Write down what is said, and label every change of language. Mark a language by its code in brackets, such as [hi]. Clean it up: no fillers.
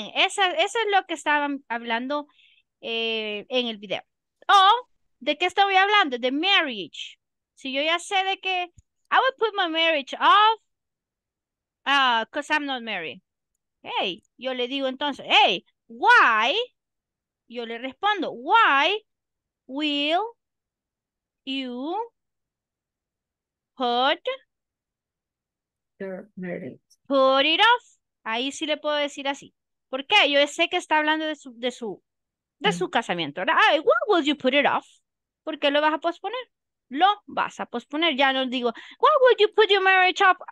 [es] Eso es lo que estaban hablando en el video. ¿De qué estoy hablando? De marriage. Si yo ya sé de qué. [en] I will put my marriage off because I'm not married. [es] Hey, yo le digo entonces, hey, why? Yo le respondo, [en] why will you put your marriage? Put it off. [es] Ahí sí le puedo decir así. ¿Por qué? Yo sé que está hablando de su casamiento, ¿verdad? [en] Hey, why will you put it off? [es] ¿Por qué lo vas a posponer? Lo vas a posponer. Ya no digo, [en] why would you put your marriage up?